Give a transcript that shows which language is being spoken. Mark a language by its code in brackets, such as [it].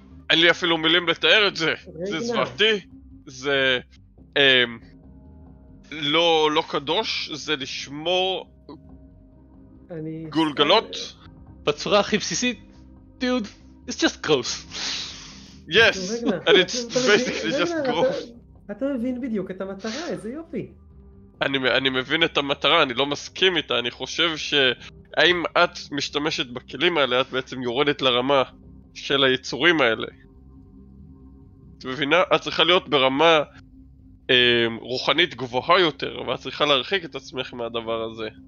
[he] אין לי אפילו מילים לתאר את זה, זה זוועתי, זה... לא קדוש, זה לשמור... גולגלות? בצורה הכי בסיסית, דוד, [en] it's just gross. Yes, and it's basically just gross. [he] אתה מבין בדיוק את המטרה, איזה יופי. אני מבין את המטרה, אני לא מסכים איתה, אני חושב שהאם את משתמשת בכלים האלה, את בעצם יורדת לרמה של היצורים האלה. את מבינה? את צריכה להיות ברמה רוחנית גבוהה יותר, ואת צריכה להרחיק את עצמך מהדבר הזה.